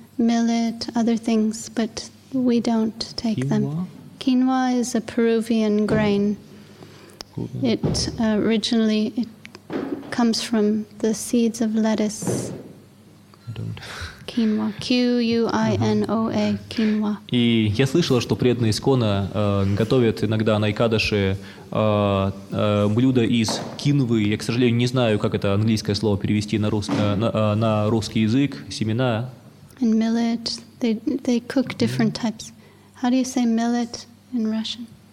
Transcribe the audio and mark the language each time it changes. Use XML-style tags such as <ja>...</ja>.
<en>millet, other things, but we don't take them. Quinoa is a Peruvian grain. It originally it comes from the seeds of lettuce. Quinoa. Q-U-I-N-O-A. Quinoa.</en> <ru>И я слышала, что преданные искона готовят иногда на Икадаши блюда из кинвы. Я, к сожалению, не знаю, как это английское слово перевести на русский, на русский язык. Семена.</ru> <en>And millet. They cook different types. How do you say millet in Russian?</en>